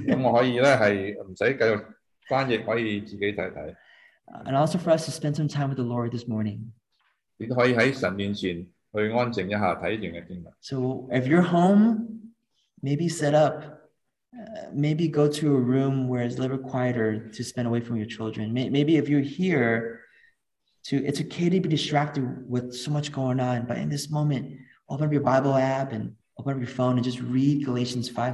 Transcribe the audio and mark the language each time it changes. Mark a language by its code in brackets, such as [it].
[zh] 我可以呢是不用繼續翻譯，可以自己看看。 [en] And also for us to spend some time with the Lord this morning. [zh] 你可以在神面前去安靜一下，看一段的經文。 [en] So if you're home, maybe set up, maybe go to a room where it's a little quieter to spend away from your children. Maybe if you're here, it's okay to be distracted with so much going on. But in this moment, open up your Bible app and open up your phone and just read Galatians